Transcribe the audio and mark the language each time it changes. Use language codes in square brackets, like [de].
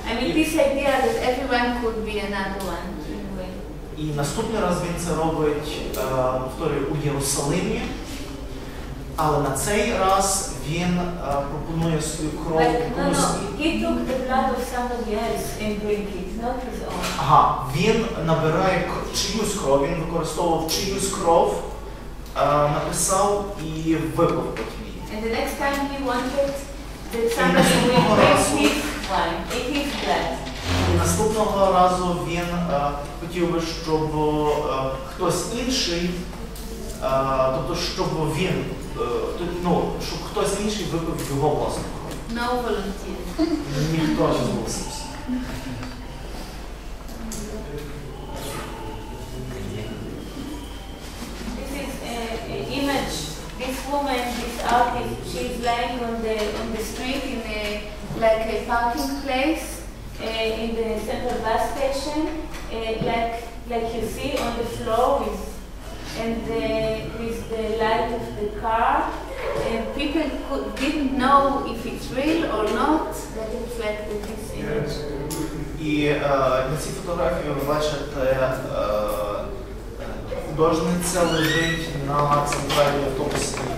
[en] I mean, this idea that everyone could be another one. [uk] І наступний раз він це робить у Єрусалимі, але на цей раз він пропонує свою кров. [en] He took the blood of somebody else and drink it, not his own. [uk] Ага, він набирає чиюсь кров, він використовував чиюсь кров, написав і випив потім її. [en] And the next time he wanted that somebody would drink his blood. [uk] І наступного разу він хотів би, щоб хтось інший, тобто щоб він, щоб хтось інший випив його власну кров. [en] No volunteer. [uk] Ніхто не зголосився. [en] This is an image. This woman, this artist, she's lying on the street in a parking place. In the central bus station, like you see on the floor with and the, with the light of the car, and people could, didn't know if it's real or not, that it's like this image. Yes. И тези фотографии във вашата художница лежит на централния автобус.